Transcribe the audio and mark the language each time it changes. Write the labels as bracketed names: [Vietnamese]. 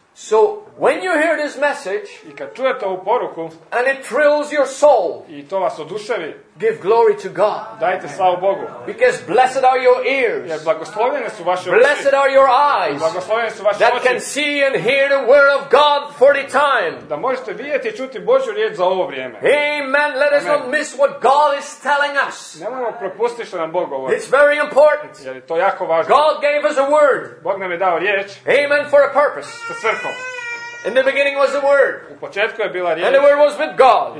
[English] So when you hear this message, [Croatian] i kad čujete ovu poruku, [English] and it thrills your soul, [Croatian] i to vas oduševi, [English] give glory to God. [Croatian] Dajte slavu Bogu. [English] Because blessed are your ears. [Croatian] Jer blagoslovljene su vaše oči. [English] Blessed are your eyes. [Croatian] Blagoslovljene su vaše [English] that [Croatian] oči. [English] Can see and hear the word of God for the time. [Croatian] Da možete vidjeti i čuti Božju riječ za ovo vrijeme. [English] Amen. Let us not miss what God is telling us. [Croatian] Nemojmo propustiti što nam Bog govori. [English] It's very important. [Croatian] Jer je to jako važno. [English] God gave us a word. [Croatian] Bog nam je dao riječ. [English] Amen for a purpose. [Croatian] Sa svrhom. [English] In the beginning was the word. [Croatian] U početku je bila riječ. [English] And the word was with God.